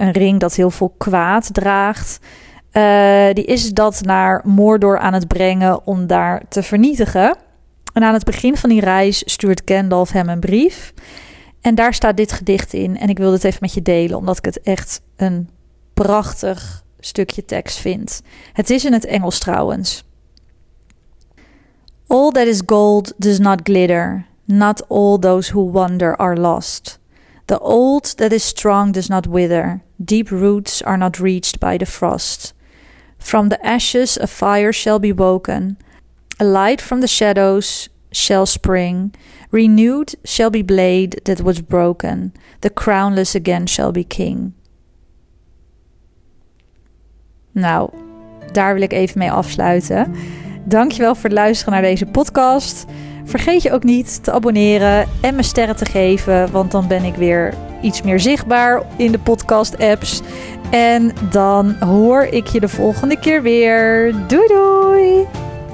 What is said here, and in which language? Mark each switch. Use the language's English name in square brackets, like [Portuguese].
[Dutch] Een ring dat heel veel kwaad draagt. Die is dat naar Mordor aan het brengen om daar te vernietigen. En aan het begin van die reis stuurt Gandalf hem een brief. En daar staat dit gedicht in. En ik wilde het even met je delen, omdat ik het echt een prachtig stukje tekst vind. Het is in het Engels trouwens. [English] All that is gold does not glitter. Not all those who wander are lost. The old that is strong does not wither. Deep roots are not reached by the frost. From the ashes a fire shall be woken. A light from the shadows shall spring. Renewed shall be blade that was broken. The crownless again shall be king. [Dutch] Nou, daar wil ik even mee afsluiten. Dankjewel voor het luisteren naar deze podcast. Vergeet je ook niet te abonneren en me sterren te geven. Want dan ben ik weer iets meer zichtbaar in de podcast apps. En dan hoor ik je de volgende keer weer. Doei doei!